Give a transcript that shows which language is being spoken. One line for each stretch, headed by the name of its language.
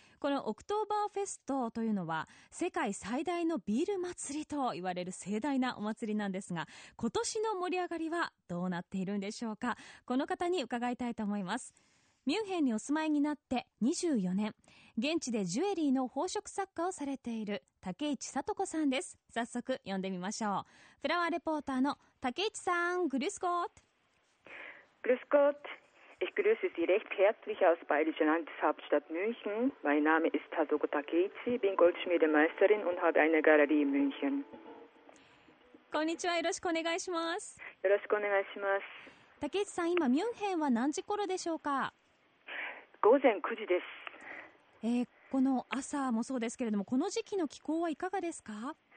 Japanese: このオクトーバーフェストというのは世界最大のビール祭りと言われる盛大なお祭りなんですが、今年の盛り上がりはどうなっているんでしょうか。この方に伺いたいと思います。ミュンヘンにお住まいになって24年、現地でジュエリーの宝飾作家をされている竹市さと子さんです。早速呼んでみましょう。フラワーレポーターの竹市さん、グルスコート。
German: グルスコート、Ich grüße Sie recht herzlich aus Bayerischer Landeshauptstadt München. Mein Name ist Tadoko Takeichi, bin Goldschmiedemeisterin und habe eine Galerie in München.
Japanese: こんにちは、よろしくお願いします。よろしくお願いします。 Takeichi さん、今ミュンヘンは何時頃でしょうか？午前9時です。この朝もそうですけれども、この時期の気候はいかがですか？